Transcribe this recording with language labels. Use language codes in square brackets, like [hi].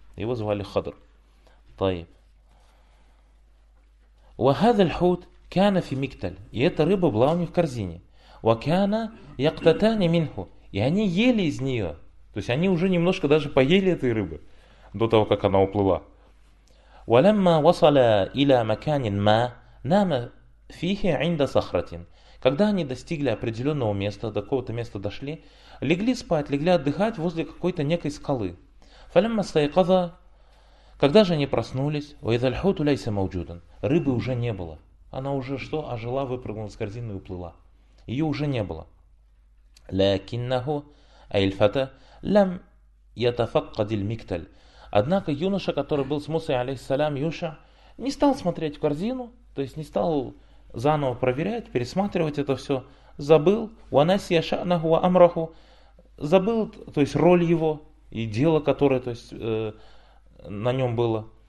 [ru] Его звали Хадр. Таиб. [ar] وهذا الحوت كان في مكتل. [ru] И эта рыба была у них в корзине. [ar] وكان يقتتان منه. [ru] И они ели из нее. То есть они уже немножко даже поели этой рыбы до того, как она уплыла. [ar] ولما وصل إلى مكان ما نام فيه عند صخرة. [ru] Когда они достигли определенного места, до какого-то места дошли, легли спать, легли отдыхать возле какой-то некой скалы. [ar] فلما استيقظ, [ru] когда же они проснулись, [ar] وإذا الحوت ليس موجودا, [ru] рыбы уже не было. Она уже что, ожила, выпрыгнула из корзины и уплыла. Ее уже не было. [ar] لكنه أي الفتى لم يتفقد المكتل. [ru] Однако юноша, который был с Мусой, алейхиссалям, Юша, не стал смотреть в корзину, то есть не стал заново проверять, пересматривать это все. Забыл. [ar] وَنَسِيَ شَأْنَهُ وَأَمْرَهُ. [ru] Забыл, то есть роль его и дело, которое то есть, на нем было.